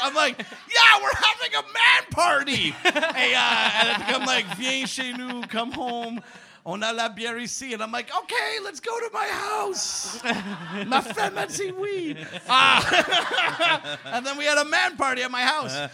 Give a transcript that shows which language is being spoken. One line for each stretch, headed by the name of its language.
English: I'm like, yeah, we're having a man party.
French: Et elle était comme like, viens chez nous,
English: come home.
French: On a la bière ici.
English: And I'm like, okay, let's go to my house.
French: Ma femme a dit oui.
English: And then we had a man party at my house.